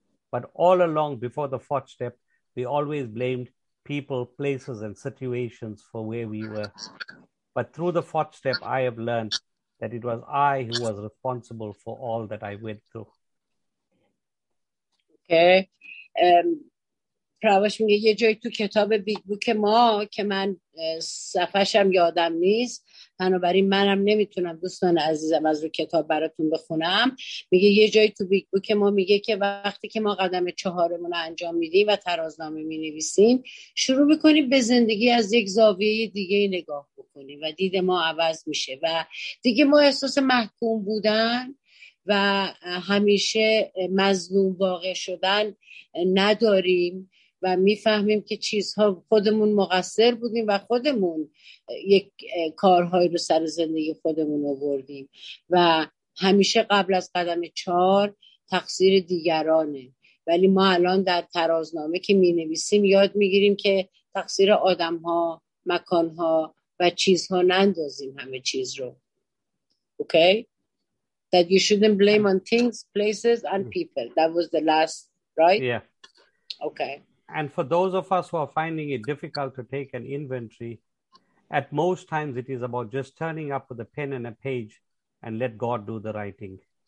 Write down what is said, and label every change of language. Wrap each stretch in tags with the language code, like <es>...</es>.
<en>But all along before the fourth step, we always blamed people, places, and situations for where we were. But through the fourth step, I have learned that it was I who was responsible for all that I went through. Okay.</en> <fa>پرواش میگه یه جایی تو کتاب بیگ بوک ما که من صفحشم یادم نیست، بنابراین منم نمیتونم دوستان عزیزم از رو کتاب براتون بخونم، میگه یه جایی تو بیگ بوک ما میگه که وقتی که ما قدم چهارمون رو انجام میدیم و ترازنامه مینویسیم، شروع میکنیم به زندگی از یک زاویه دیگه نگاه بکنیم و دید ما عوض میشه و دیگه ما احساس محکوم بودن و همیشه مظلوم واقع شدن نداریم و میفهمیم که چیزها خودمون مقصر بودیم و خودمون یک کارهایی رو سر زندگی خودمون آوردیم و همیشه قبل از قدم چهار تقصیر دیگرانه، ولی ما الان در ترازنامه که می نویسیم یاد می گیریم که تقصیر آدمها، مکانها و چیزها نندازیم همه چیز رو.</fa> <en>Okay? That you shouldn't blame on things, places and people. That was the last, right? Yeah. Okay. And for those of us who are finding it difficult to take an inventory, at most times it is about just turning up with a pen and a page and let God do the writing.</en>